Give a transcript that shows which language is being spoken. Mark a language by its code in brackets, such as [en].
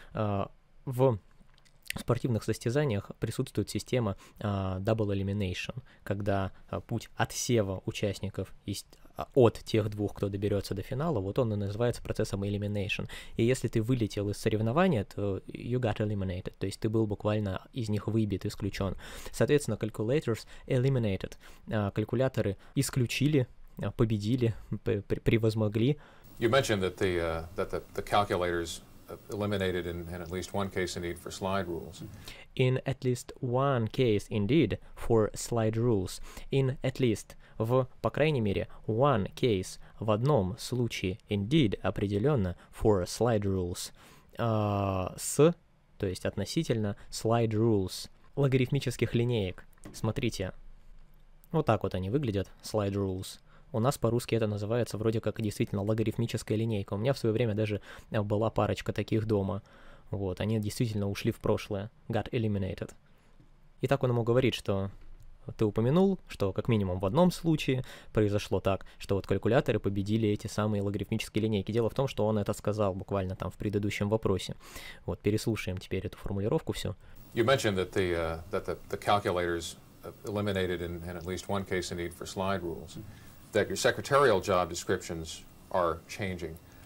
[ru] В спортивных состязаниях присутствует система double elimination, когда путь отсева участников есть от тех двух, кто доберется до финала, вот он и называется процессом elimination. И если ты вылетел из соревнования, то [en] you got eliminated, [ru] то есть ты был буквально из них выбит, исключен. Соответственно, [en] calculators eliminated. [ru] Калькуляторы исключили, победили, превозмогли. [en] You mentioned that the calculators eliminated in at least one case a need for slide rules. In at least one case, indeed, for slide rules. In at least, [ru] в, по крайней мере, [en] one case, [ru] в одном случае, [en] indeed, [ru] определенно, [en] for slide rules, [ru] с, то есть относительно, slide rules, логарифмических линеек. Смотрите, вот так вот они выглядят, slide rules. У нас по-русски это называется вроде как действительно логарифмическая линейка. У меня в свое время даже была парочка таких дома. Вот, они действительно ушли в прошлое, [en] got eliminated. [ru] И так он ему говорит, что ты упомянул, что как минимум в одном случае произошло так, что вот калькуляторы победили эти самые логарифмические линейки. Дело в том, что он это сказал буквально там в предыдущем вопросе. Вот, переслушаем теперь эту формулировку всю. [en] You mentioned that the calculators eliminated in at least one case a need for slide rules, that your secretarial job descriptions are changing.